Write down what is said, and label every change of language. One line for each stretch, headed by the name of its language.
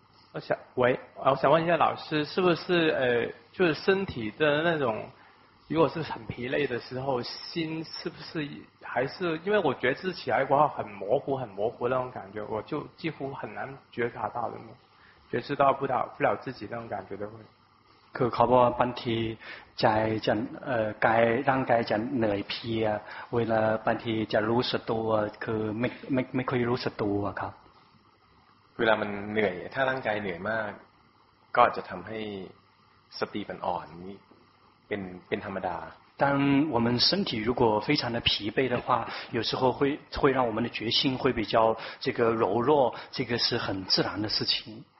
Chinese: เอา想问一下老师是不是就是身体的那种如果是很疲累的时候心是不是还是因为我觉知起来过后很模糊很模糊那种感觉我就几乎很难觉察到的觉知到不了自己那种感觉的会
Thai: คือเขาบอกว่าบางทีใจจะกายร่างกายจะเหนื่อยเพียเวลาบางทีจะรู้สึกตัวคือไม่ค่อยรู้สึกตัวครับ เวลามันเหนื่อยถ้าร่างกายเหนื่อยมากก็จะทำให้สติมันอ่อนเป็นธรรมดา
Chinese: 当我们身体如果非常的疲惫的话有时候会让我们的决心会比较这个柔弱这个是很自然的事情